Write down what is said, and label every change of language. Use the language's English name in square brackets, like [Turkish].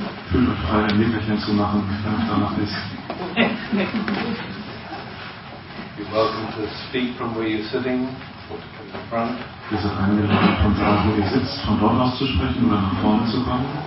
[German] Fühlt euch frei, ein Nickerchen zu machen, wenn es danach ist. [English] You're welcome to speak from where you're sitting or to come to the front. [German] Ihr seid eingeladen, von da, wo ihr sitzt, von dort aus zu sprechen oder nach vorne zu kommen.